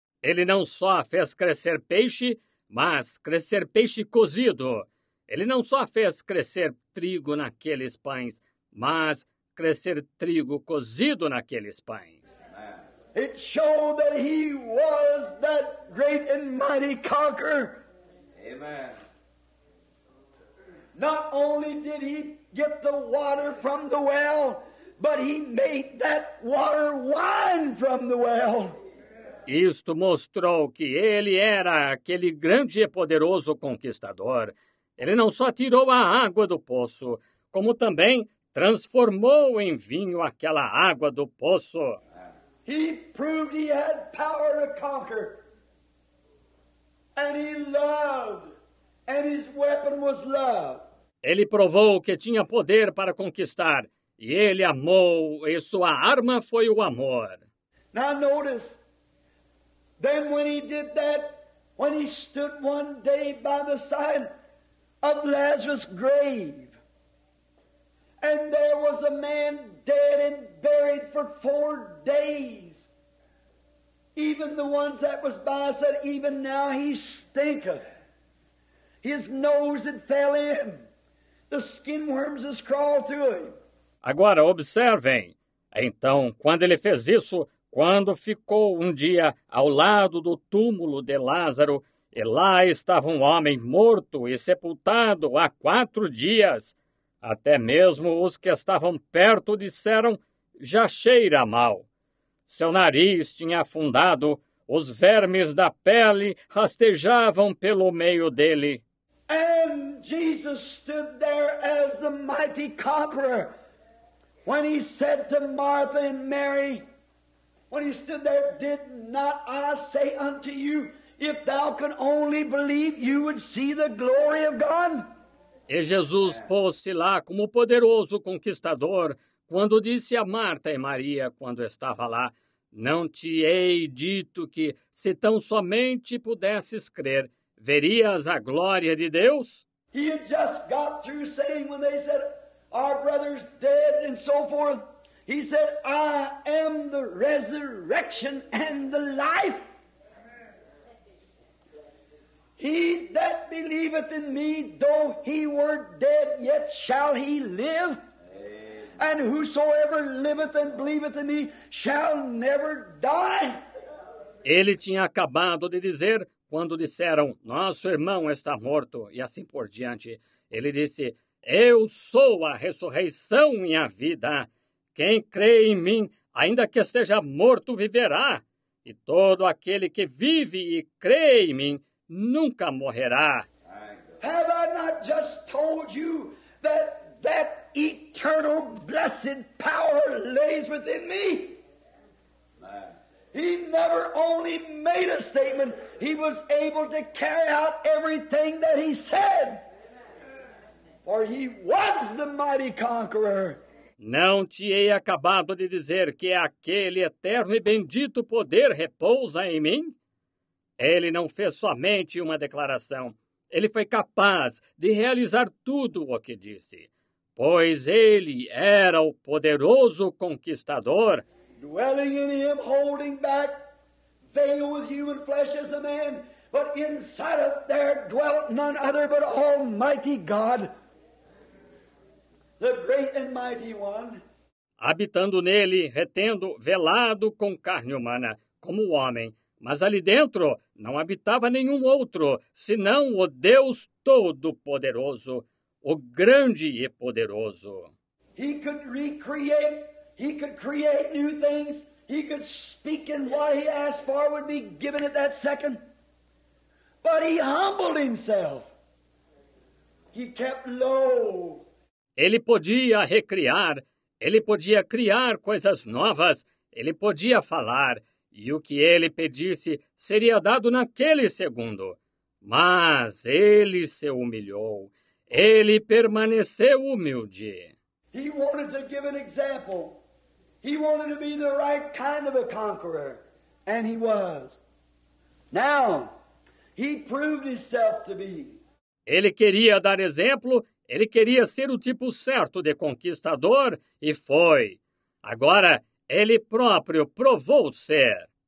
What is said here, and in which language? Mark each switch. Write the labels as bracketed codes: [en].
[pt] Ele não só fez crescer peixe, mas crescer peixe cozido. Ele não só fez crescer trigo naqueles pães, mas crescer trigo cozido naqueles pães. [en] It showed that he was that great and mighty conqueror. Amen. Not only did he get the water from the well, but he made that water wine from the well. [pt] Isto mostrou que ele era aquele grande e poderoso conquistador. Ele não só tirou a água do poço, como também transformou em vinho aquela água do poço. [en] He proved he had power to conquer. And he loved. And his weapon was love. [pt] Ele provou que tinha poder para conquistar. E ele amou. E sua arma foi o amor. [en] Now notice. Then when he did that, when he stood one day by the side of Lazarus' grave, and there was a man dead and buried for 4 days, even the ones that was by said, even now he stinketh. His nose had fell in. The skin worms has crawled through him. [pt] Agora, observem. Então, quando ele fez isso, quando ficou um dia ao lado do túmulo de Lázaro, e lá estava um homem morto e sepultado há 4 dias, até mesmo os que estavam perto disseram, já cheira mal. Seu nariz tinha afundado, os vermes da pele rastejavam pelo meio dele. [en] And Jesus stood there as the mighty conqueror, when he said to Martha and Mary, when he stood there, did not I say unto you, if thou can only believe, you would see the glory of God? [pt] E Jesus pôs-se lá como poderoso conquistador, quando disse a Marta e Maria, quando estava lá, não te hei dito que, se tão somente pudesses crer, verias a glória de Deus? [en] He had just got through saying, when they said, our brother's dead, and so forth, he said, I am the resurrection and the life. He that believeth in me, though he were dead, yet shall he live. And whosoever liveth and believeth in me shall never die. [pt] Ele tinha acabado de dizer, quando disseram, nosso irmão está morto, e assim por diante. Ele disse, eu sou a ressurreição e a vida. Quem crê em mim, ainda que esteja morto, viverá. E todo aquele que vive e crê em mim, nunca morrerá. [en] Have I not just told you that that eternal blessed power lays within me? He never only made a statement. He was able to carry out everything that he said. For he was the mighty conqueror. [pt] Não te hei acabado de dizer que aquele eterno e bendito poder repousa em mim? Ele não fez somente uma declaração. Ele foi capaz de realizar tudo o que disse. Pois ele era o poderoso conquistador. [en] Dwelling in him, holding back, veiled with human flesh as a man, but inside of there dwelt none other but Almighty God. The great and mighty one. [pt] Habitando nele, retendo, velado com carne humana, como o homem. Mas ali dentro não habitava nenhum outro, senão o Deus Todo-Poderoso, o Grande e Poderoso. [en] He could recreate, he could create new things, he could speak and what he asked for would be given at that second. But he humbled himself. He kept low. [pt] Ele podia recriar, ele podia criar coisas novas, ele podia falar, e o que ele pedisse seria dado naquele segundo. Mas ele se humilhou. Ele permaneceu humilde. [en] He wanted to give an example. He wanted to be the right kind of a conqueror. And he was. Now, he proved himself to be. [pt] Ele queria dar exemplo. Ele queria ser o tipo certo de conquistador. E foi. Agora, ele próprio provou ser.